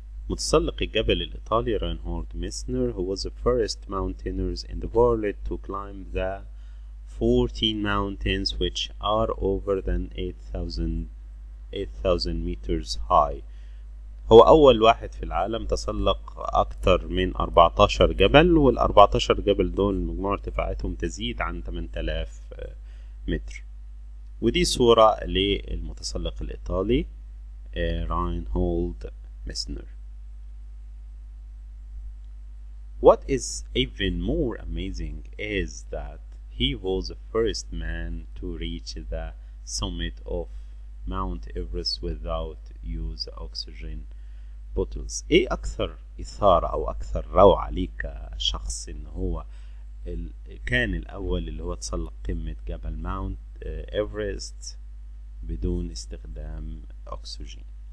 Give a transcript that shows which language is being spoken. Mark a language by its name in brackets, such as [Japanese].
[Arabic] متسلق الجبل الإيطالي [English] Reinhold Messner, who was the first mountaineers in the world to climb the 14 mountains which are over than 8,000 meters high. [Arabic] هو أول واحد في العالم تسلق أكتر من 14 جبل, وال 14 جبل دول مجموع ارتفاعاتهم تزيد عن 8,000 متر. ودي صورة للمتسلق الإيطالي راينهولد ميسنر. [English] What is even more amazing is that he was the first man to reach the summit of Mount Everest without use oxygen. [Arabic] ايه اكثر اثارة او اكثر روعة ليك شخص ان هو كان الاول اللي هو تسلق قمة جبل ماونت ايفرست بدون استخدام اكسجين.